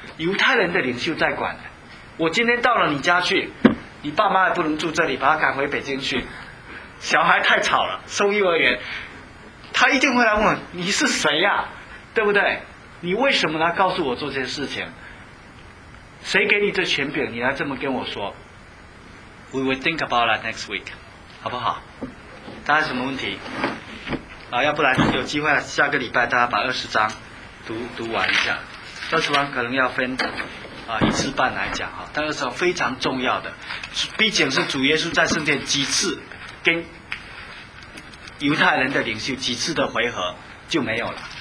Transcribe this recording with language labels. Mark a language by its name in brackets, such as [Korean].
[Chinese] 犹太人的领袖在管。我今天到了你家去，你爸妈也不能住这里，把他赶回北京去，小孩太吵了，收幼儿园，他一定会来问你是谁呀，对不对？你为什么来告诉我做这些事情？谁给你这权柄你来这么跟我说？ [English] We will think about that next week， [Chinese] 好不好？大家什么问题？啊，要不然有机会下个礼拜大家把20章读完一下。 20章可能要分啊一次半来讲哈，但20章非常重要的，毕竟是主耶稣在圣殿几次跟犹太人的领袖几次的回合就没有了。